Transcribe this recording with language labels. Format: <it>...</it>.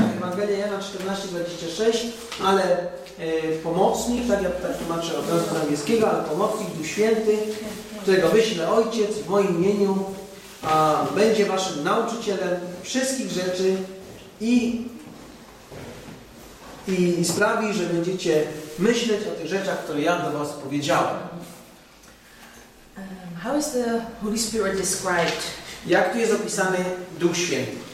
<pl>Ewangelia Jana 14:26, ale pomocnik, tak ja tak tłumaczę od razu angielskiego, ale pomocnik Duch Święty, którego wyśle Ojciec w moim imieniu, a będzie waszym nauczycielem wszystkich rzeczy i sprawi, że będziecie myśleć o tych rzeczach, które ja do was powiedziałem.</pl> <en>How is the Holy Spirit described?</en> <pl>Jak tu jest opisany Duch Święty?</pl>